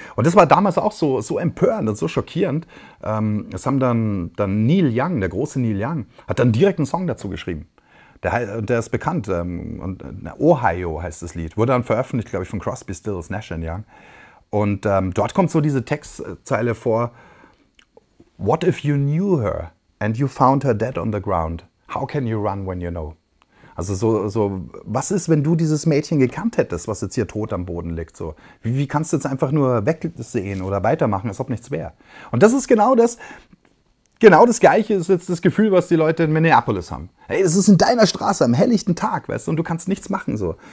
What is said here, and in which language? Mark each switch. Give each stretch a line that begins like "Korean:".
German: Und das war damals auch so empörend und so schockierend. Das haben dann Neil Young, der große Neil Young, hat dann direkt einen Song dazu geschrieben. Der ist bekannt. Ohio heißt das Lied. Wurde dann veröffentlicht, glaube ich, von Crosby, Stills, Nash & Young. Und dort kommt so diese Textzeile vor.
English: What if you knew her and you found her dead on the ground? How can you run when you know?
German: Also so, was ist, wenn du dieses Mädchen gekannt hättest, was jetzt hier tot am Boden liegt? So, wie kannst du jetzt einfach nur wegsehen oder weitermachen, als ob nichts wäre? Und das ist genau das Gleiche ist jetzt das Gefühl, was die Leute in Minneapolis haben. Hey, es ist in deiner Straße, am helllichten Tag, weißt du, und du kannst nichts machen so.